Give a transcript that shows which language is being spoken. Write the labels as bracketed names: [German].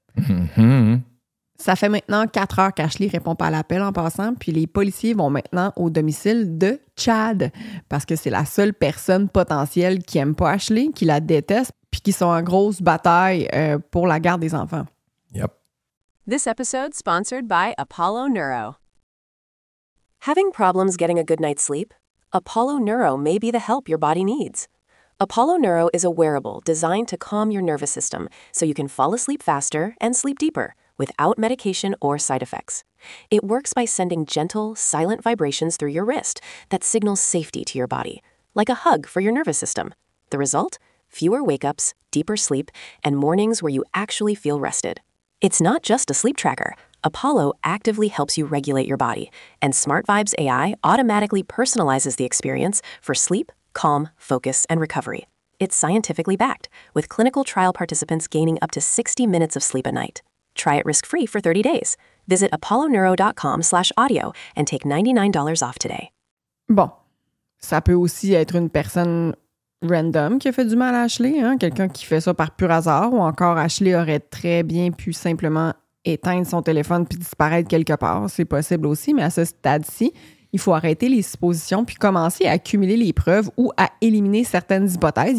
[French] Mm-hmm. Ça fait maintenant 4 heures qu'Ashley répond pas à l'appel en passant, puis les policiers vont maintenant au domicile de Chad, parce que c'est la seule personne potentielle qui aime pas Ashley, qui la déteste, puis qui sont en grosse bataille pour la garde des enfants. Yep. [English] This episode sponsored by Apollo Neuro. Having problems getting a good night's sleep? Apollo Neuro may be the help your body needs. Apollo Neuro is a wearable designed to calm your nervous system so you can fall asleep faster and sleep deeper without medication or side effects. It works by sending gentle, silent vibrations through your wrist that signal safety to your body, like a hug for your nervous system. The result? Fewer wake-ups, deeper sleep, and mornings where you actually feel rested. It's not just a sleep tracker. Apollo actively helps you regulate your body, and Smart Vibes AI automatically personalizes the experience for sleep, calm, focus, and recovery. It's scientifically backed, with clinical trial participants gaining up to 60 minutes of sleep a night. Try it risk-free for 30 days. Visit apolloneuro.com/audio and take $99 off today. [French] Bon, ça peut aussi être une personne random qui a fait du mal à Ashley, hein? Quelqu'un qui fait ça par pur hasard, ou encore Ashley aurait très bien pu simplement éteindre son téléphone puis disparaître quelque part. C'est possible aussi, mais à ce stade-ci, il faut arrêter les suppositions puis commencer à accumuler les preuves ou à éliminer certaines hypothèses.